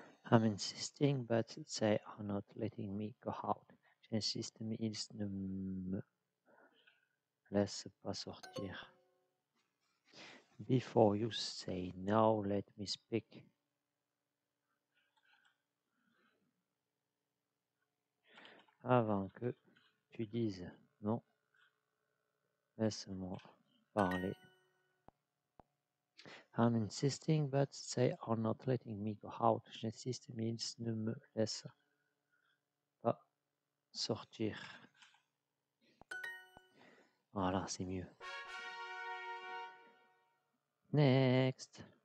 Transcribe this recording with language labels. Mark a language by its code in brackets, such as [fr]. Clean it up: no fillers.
[en] I'm insisting, but they are not letting me go out. [fr] J'insiste, mais ils ne me laissent pas sortir. [en] Before you say no, let me speak. [fr] Avant que tu dises non, laisse-moi parler. [en] I'm insisting, but they are not letting me go out. [fr] J'insiste, mais ils ne me laissent pas sortir. Voilà, c'est mieux. [en] Next.